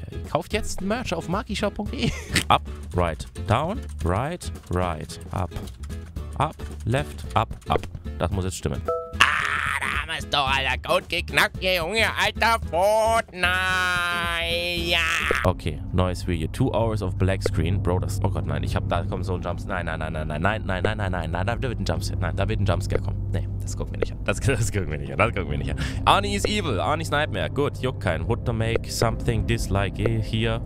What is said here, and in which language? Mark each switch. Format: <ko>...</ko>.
<de>Kauft jetzt Merch auf markishop.de.</de> <en>Up, right, down, right, right, up, up, left, up, up.</en> <de>Das muss jetzt stimmen. Ah, da haben wir es doch, Alter. Code geknackt, ihr Junge, Alter. Fortnite, ja. Okay, neues Video.</de> <en>2 hours of black screen.</en> <de>Bro, das... Oh Gott, nein, ich hab... Da kommt so ein Jumpscare. Nein, nein, nein, nein, nein, nein, nein, nein, nein, nein, nein, nein, da wird ein Jumpscare. Nein, da wird ein Jumpscare kommen. Nee, das gucken wir nicht an. Das gucken wir nicht an. Das gucken wir nicht an.</de> <en>Arnie is evil.</en> <de>Arnie's Nightmare. Gut, juck keinen.</de> <en>Would to make something dislike here.</en>